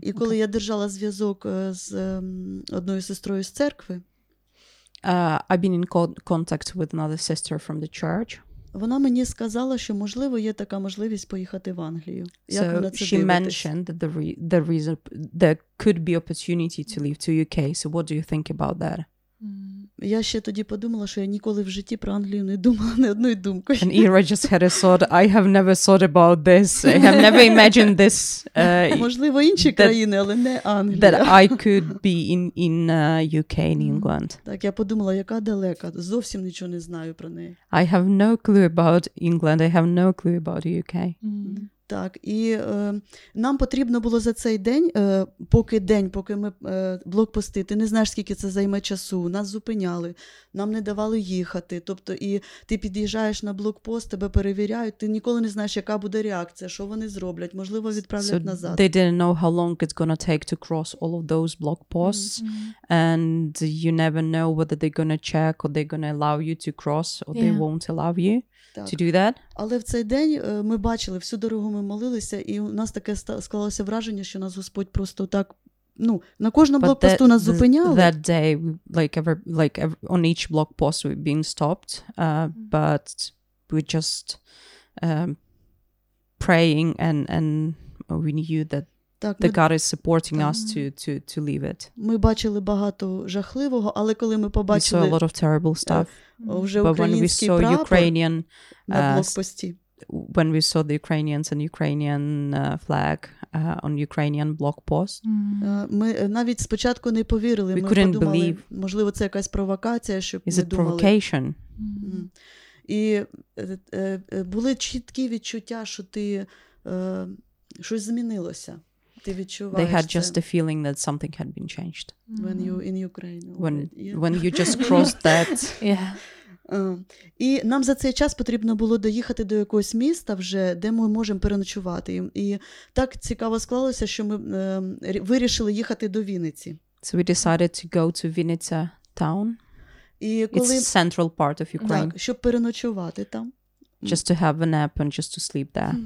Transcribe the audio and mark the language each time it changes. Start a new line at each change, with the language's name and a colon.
Ukrainian: І коли я держала зв'язок з одною сестрою з церкви,
English: I've been in contact with another sister from the church.
Ukrainian: Вона мені сказала, що можливо є така можливість поїхати в Англію. Як вона це дивиться?
English: She mentioned that the reason there could be opportunity to leave to UK. So what do you think about that?
Ukrainian: Я ще тоді подумала, що я ніколи в житті про Англію не думала не одної думки.
English: And Ira just had a thought. I have never thought about this. I have never imagined this.
Ukrainian: Можливо, інші країни, але не Англія.
English: That I could be in UK, in England.
Ukrainian: Так, я подумала, яка далека. Зовсім нічого не знаю про неї.
English: I have no clue about England. I have no clue about UK.
Ukrainian: Так, і нам потрібно було за цей день, поки ми блокпости, ти не знаєш, скільки це займе часу, нас зупиняли, нам не давали їхати, тобто і ти під'їжджаєш на блокпост, тебе перевіряють, ти ніколи не знаєш, яка буде реакція, що вони зроблять, можливо, відправлять
English: so
Ukrainian: назад.
English: So they didn't know how long it's gonna take to cross all of those blockposts, mm-hmm. and you never know whether they're gonna check or they're gonna allow you to cross or they won't allow you.
Ukrainian: Так.
English: To do that.
Ukrainian: Але в цей день ми бачили, всю дорогу ми молилися, і у нас таке склалося враження, що нас Господь просто так, ну, на кожному блокпосту нас зупиняли.
English: That day, on each blockpost we've been stopped, but we're just praying and we knew that
Ukrainian: так,
English: the God is supporting us to leave it.
Ukrainian: Ми бачили багато жахливого, але коли ми побачили...
English: We saw a lot of terrible stuff. But when we saw Ukrainian...
Ukrainian: На блокпості.
English: When we saw the Ukrainians and Ukrainian flag on Ukrainian blockpost...
Ukrainian: Ми навіть спочатку не повірили.
English: We couldn't believe.
Ukrainian: Можливо, це якась провокація, щоб ми думали...
English: Is it provocation?
Ukrainian: І були чіткі відчуття, що ти... Щось змінилося.
English: They had just the feeling that something had been changed. Mm-hmm. When you in Ukraine. When you just crossed that. Yeah.
Ukrainian: І нам за цей час потрібно було доїхати до якогось міста вже, де ми можемо переночувати. І так цікаво склалося, що ми вирішили їхати до Вінниці.
English: So we decided to go to Vinnytsia town. It's the central part of Ukraine.
Ukrainian: Так, щоб переночувати там.
English: Just to have a nap and just to sleep there.